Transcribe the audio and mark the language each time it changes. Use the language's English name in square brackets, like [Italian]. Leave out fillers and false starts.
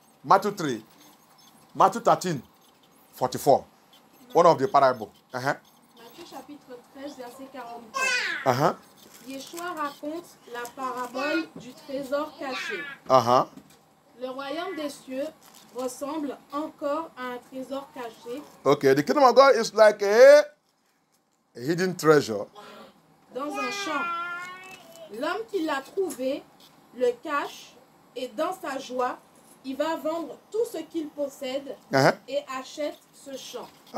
[English] Matthieu 13, 44. One of the parables. [French] Matthieu chapitre 13, verset 44. Yeshua raconte la parabole du trésor caché. Le royaume des cieux ressemble encore à un trésor caché. [English] Okay, the kingdom of God is like a hidden treasure. [French] Dans un champ. L'homme qui l'a trouvé le cache et dans sa joie, il va vendre tout ce qu'il possède et achète ce champ.